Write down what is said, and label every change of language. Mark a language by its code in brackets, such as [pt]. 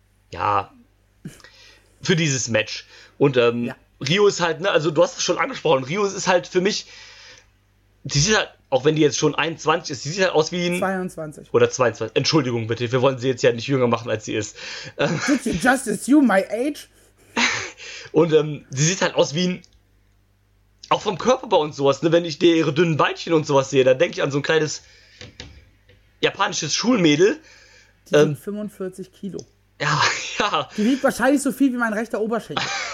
[de] Ja, für dieses Match. Und Rio ist halt, ne, also du hast es schon angesprochen, Rio ist halt für mich, die sieht halt, auch wenn die jetzt schon 21 ist, die sieht halt aus wie ein... 22. Oder 22. Entschuldigung bitte, wir wollen sie jetzt ja nicht jünger machen, als sie ist. [en] Did you just assume my age? [de] Und sie sieht halt aus wie ein... Auch vom Körperbau und sowas, ne? Wenn ich dir ihre dünnen Beinchen und sowas sehe, dann denke ich an so ein kleines japanisches Schulmädel. Die sind 45 Kilo. Ja, ja. Die wiegt wahrscheinlich so viel wie mein rechter Oberschenkel.